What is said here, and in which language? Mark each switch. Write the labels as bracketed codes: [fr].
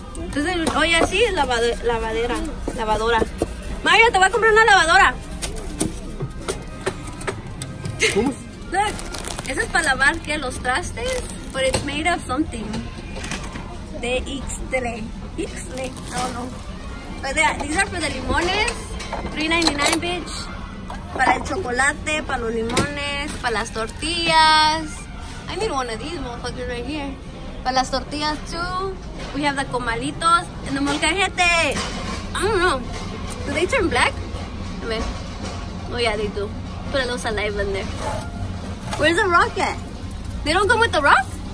[es] Entonces, [en] oh yeah, see, [es] lavadora. Mario, te voy a comprar una lavadora. [en] Look, this is [es] para lavar que los trastes, [en] but it's made of something. De Ixtle. I don't know. But these are for the limones. $3.99, bitch. [es] Para el chocolate, para los limones, para las tortillas. [en] I need one of these motherfuckers right here. [es] Para las tortillas [en] too. We have the comalitos and the molcajete. I don't know. Do they turn black? [es] A ver. [en] Oh yeah, they do. Put a little saliva in there. Where's the rock at? They don't come with the rock?